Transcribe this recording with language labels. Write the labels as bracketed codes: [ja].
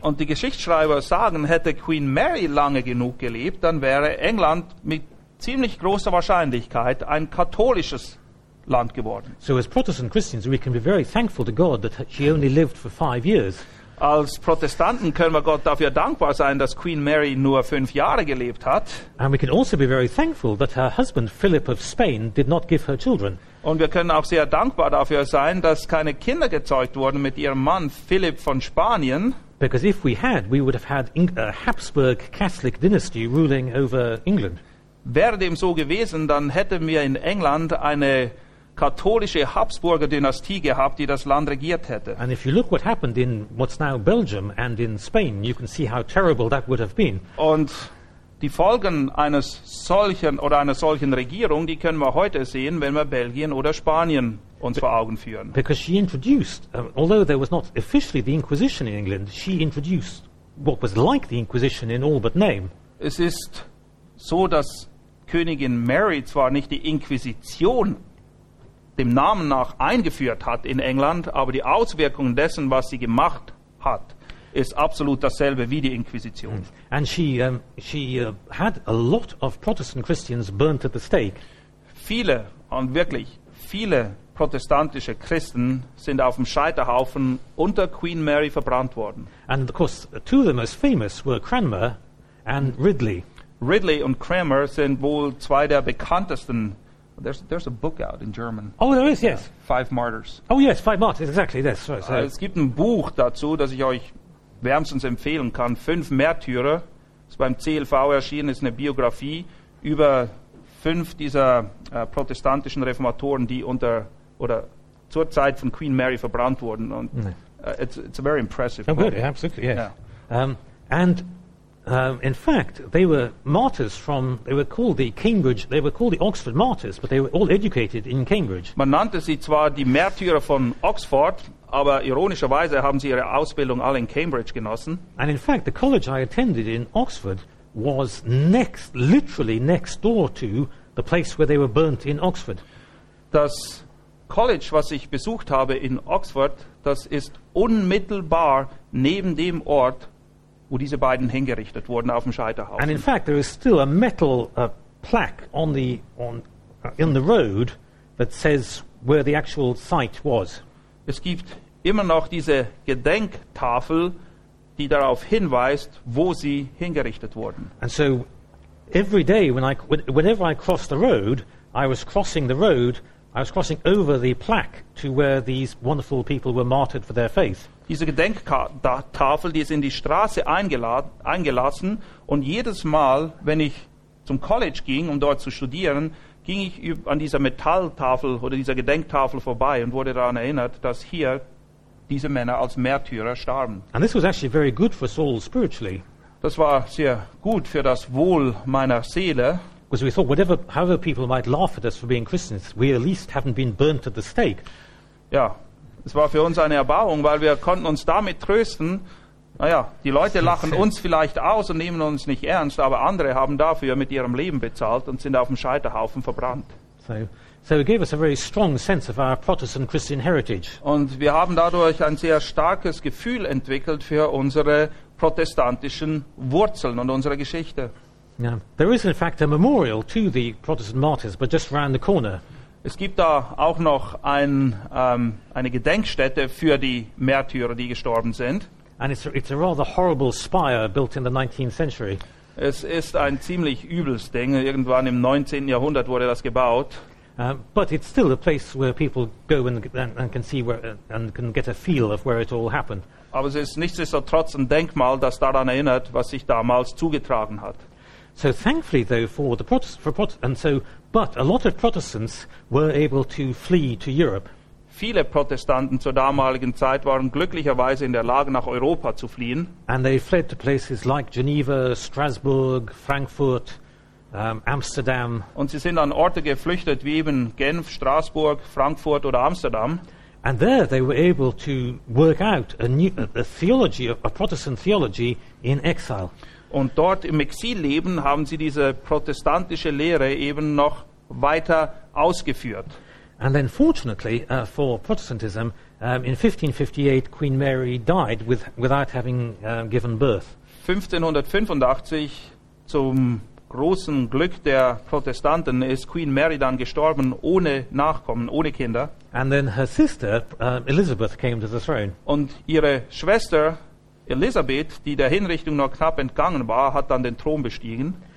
[de] Und die Geschichtsschreiber sagen, hätte Queen Mary lange genug gelebt, dann wäre England mit ziemlich großer Wahrscheinlichkeit ein katholisches Land geworden. [en] So as Protestant Christians, we can be very thankful to God that she only lived for 5 years. [de] Als Protestanten können wir Gott dafür dankbar sein, dass Queen Mary nur 5 Jahre gelebt hat. [en] And we can also be very thankful that her husband Philip of Spain did not give her children. [de] Und wir können auch sehr dankbar dafür sein, dass keine Kinder gezeugt wurden mit ihrem Mann Philip von Spanien. [en] Because if we had, we would have had a Habsburg Catholic dynasty ruling over England. [de] Wäre dem so gewesen, dann hätten wir in England eine katholische Habsburger Dynastie gehabt, die das Land regiert hätte. [en] And if you look what happened in what's now Belgium and in Spain, you can see how terrible that would have been. [de] Und die Folgen einer solchen Regierung, die können wir heute sehen, wenn wir Belgien oder Spanien uns vor Augen führen. [en] Because she introduced, although there was not officially the Inquisition in England, she introduced what was like the Inquisition in all but name. [de] Es ist so, dass Königin Mary zwar nicht die Inquisition dem Namen nach eingeführt hat in England, aber die Auswirkungen dessen, was sie gemacht hat, ist absolut dasselbe wie die Inquisition. [en] And she had a lot of Protestant Christians burnt at the stake. [de] viele und wirklich viele protestantische Christen sind auf dem Scheiterhaufen unter Queen Mary verbrannt worden. [en] And of course, two of the most famous were Cranmer and Ridley. [de] Ridley und Cranmer sind wohl zwei der bekanntesten. [en] There's a book out in German. Oh, there is, yes. Five Martyrs. Oh yes, Five Martyrs, exactly. Yes. Right, [de] es gibt ein Buch dazu, das ich euch wärmstens empfehlen kann. Fünf Märtyrer. Ist beim CLV erschienen, ist eine Biografie über fünf dieser protestantischen Reformatoren, die unter oder zur Zeit von Queen Mary verbrannt wurden. Und [en] it's a very impressive book. Oh, good, absolutely, yes. Yeah. In fact, they were called the Oxford Martyrs, but they were all educated in Cambridge. [de] Man nannte sie zwar die Märtyrer von Oxford, aber ironischerweise haben sie ihre Ausbildung alle in Cambridge genossen. [en] And in fact, the college I attended in Oxford was literally next door to the place where they were burnt in Oxford. [de] Das College, was ich besucht habe in Oxford, das ist unmittelbar neben dem Ort, wo diese beiden hingerichtet wurden auf dem Scheiterhaufen. [en] And in fact, there is still a metal plaque in the road that says where the actual site was. [de] Es gibt immer noch diese Gedenktafel, die darauf hinweist, wo sie hingerichtet wurden. [en] And so, every day whenever I crossed the road, I was crossing over the plaque to where these wonderful people were martyred for their faith. [de] Diese Gedenktafel, die ist in die Straße eingelassen, und jedes Mal, wenn ich zum College ging, um dort zu studieren, ging ich an dieser Metalltafel oder dieser Gedenktafel vorbei und wurde daran erinnert, dass hier diese Männer als Märtyrer starben. [en] And this was actually very good for Saul spiritually. [de] Das war sehr gut für das Wohl meiner Seele. [en] Because we thought, however people might laugh at us for being Christians, we at least haven't been burnt at the stake. [de] Ja, es war für uns eine Erbauung, weil wir konnten uns damit trösten, naja, die Leute lachen uns vielleicht aus und nehmen uns nicht ernst, aber andere haben dafür mit ihrem Leben bezahlt und sind auf dem Scheiterhaufen verbrannt. [en] So it gave us a very strong sense of our Protestant Christian heritage. [de] Und wir haben dadurch ein sehr starkes Gefühl entwickelt für unsere protestantischen Wurzeln und unsere Geschichte. [en] Yeah. There is in fact a memorial to the Protestant martyrs, but just around the corner. [de] Es gibt da auch noch eine Gedenkstätte für die Märtyrer, die gestorben sind. [en] And it's a rather horrible spire built in the 19th century. [de] Es ist ein ziemlich übles Ding. Irgendwann im 19. Jahrhundert wurde das gebaut. [en] But it's still a place where people go and can see where and can get a feel of where it all happened. [de] Aber es ist nichtsdestotrotz ein Denkmal, das daran erinnert, was sich damals zugetragen hat. [en] So thankfully, though, for the but a lot of Protestants were able to flee to Europe. [de] Viele Protestanten zur damaligen Zeit waren glücklicherweise in der Lage, nach Europa zu fliehen. [en] And they fled to places like Geneva, Strasbourg, Frankfurt, Amsterdam. [de] Und sie sind an Orte geflüchtet wie eben Genf, Straßburg, Frankfurt oder Amsterdam. [en] And there they were able to work out a Protestant theology in exile. [de] Und dort im Exilleben haben sie diese protestantische Lehre eben noch weiter ausgeführt. [en] And then fortunately for Protestantism, in 1558 Queen Mary died without having given birth. [de] 1585, zum großen Glück der Protestanten, ist Queen Mary dann gestorben, ohne Nachkommen, ohne Kinder. [en] And then her sister, Elizabeth, came to the throne. [de] Und ihre Schwester Elisabeth, die der Hinrichtung nur knapp entgangen war, hat dann den Thron bestiegen.